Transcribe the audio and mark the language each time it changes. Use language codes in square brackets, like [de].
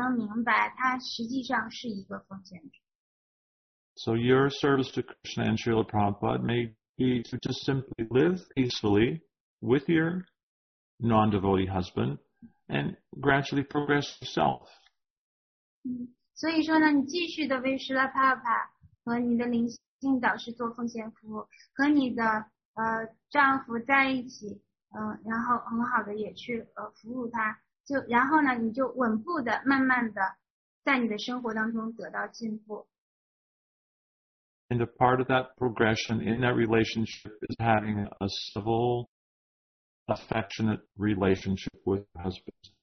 [zh] 有的时候他可能需要一些时间，甚至用一生的这个时间才能明白他实际上是一个奉献者。 [en] So your service to Krishna and Srila Prabhupada may be to just simply live peacefully with your non-devotee husband and gradually progress yourself. [zh] 所以说呢，你继续的为施拉帕帕和你的灵性导师做奉献服务，和你的丈夫在一起，然后很好的也去服务他，就然后呢，你就稳步的、慢慢的在你的生活当中得到进步。 [en] And a part of that progression in that relationship is having a civil, affectionate relationship with your husband.